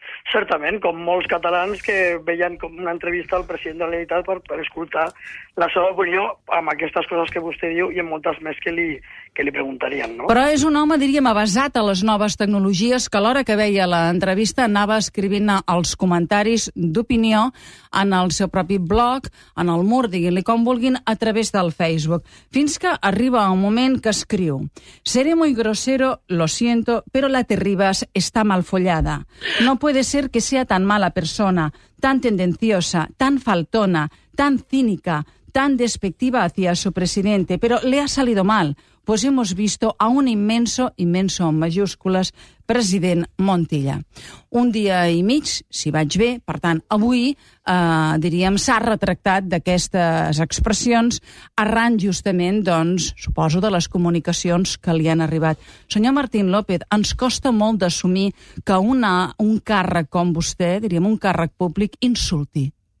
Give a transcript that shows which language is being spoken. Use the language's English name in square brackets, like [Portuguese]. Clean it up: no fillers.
[Catalan] Certament, com molts catalans que veien com una entrevista al president de la Generalitat per escoltar la seva opinió amb aquestes coses que vostè diu i amb moltes més que li preguntarien, no? Però és un home, diríem, avesat a les noves tecnologies, que l'hora que veia l'entrevista anava escrivint els comentaris d'opinió en el seu propi blog, en el mur, diguin-li com vulguin, a través del Facebook. Fins que arriba un moment que escriu: [Spanish] "Seré muy grosero, lo siento, pero la Terribas está mal follada. No puede ser que sea tan mala persona, tan tendenciosa, tan faltona, tan cínica, tan despectiva hacia su presidente, pero le ha salido mal, pues hemos visto a un inmenso, inmenso en mayúsculas, president Montilla." [Catalan] Un dia i mig, si vaig bé, per tant, avui, diríem, s'ha retractat d'aquestes expressions arran, justament, doncs, suposo, de les comunicacions que li han arribat. Senyor Martín López, ens costa molt d'assumir que un càrrec com vostè, diríem, un càrrec públic, insulti.